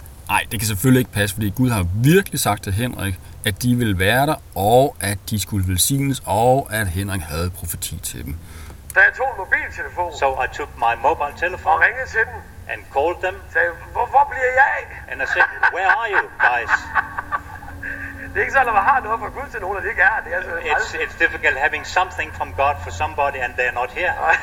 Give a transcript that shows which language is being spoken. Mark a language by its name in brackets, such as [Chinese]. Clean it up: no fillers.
[Danish] Nej, det kan selvfølgelig ikke passe, fordi Gud har virkelig sagt til Henrik, at de ville være der, og at de skulle velsignes, og at Henrik havde profeti til dem. Da jeg tog en mobiltelefon, [English] so I took my mobile telephone, [Danish] og ringede til dem, [English] and called them, [Danish] sagde, hvor bliver jeg? [English] And I said, where are you, guys? [Danish] Det er ikke sådan, at man har noget fra Gud til nogen, og det ikke er. Det er altså [English] it's difficult having something from God for somebody, and they're not here.